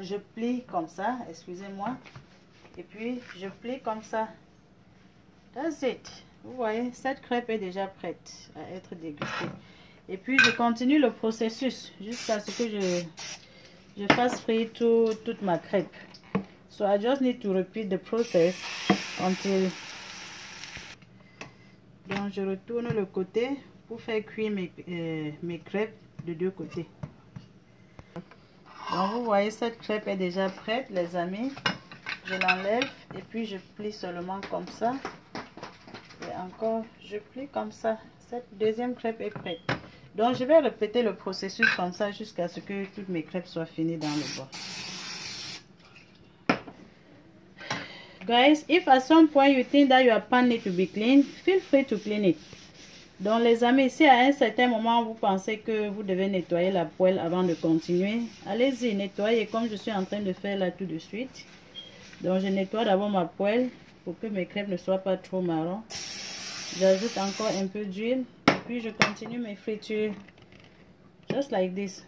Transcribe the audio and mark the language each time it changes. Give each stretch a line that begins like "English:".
French: Je plie comme ça. Excusez-moi. Et puis, je plie comme ça.
English: That's it.
French: Vous voyez, cette crêpe est déjà prête à être dégustée. Et puis, je continue le processus jusqu'à ce que je fasse frire toute ma crêpe.
English: So, I just need to repeat the process until...
French: Donc, je retourne le côté pour faire cuire mes crêpes de deux côtés. Donc, vous voyez, cette crêpe est déjà prête, les amis. Je l'enlève et puis je plie seulement comme ça. Et encore, je plie comme ça. Cette deuxième crêpe est prête. Donc, je vais répéter le processus comme ça jusqu'à ce que toutes mes crêpes soient finies dans le bois.
English: Guys, if at some point you think that your pan needs to be cleaned, feel free to clean it.
French: Donc, les amis, si à un certain moment vous pensez que vous devez nettoyer la poêle avant de continuer, allez-y, nettoyez comme je suis en train de faire là tout de suite. Donc, je nettoie d'abord ma poêle pour que mes crêpes ne soient pas trop marron. J'ajoute encore un peu d'huile. Puis je continue mes fritures,
English: just like this.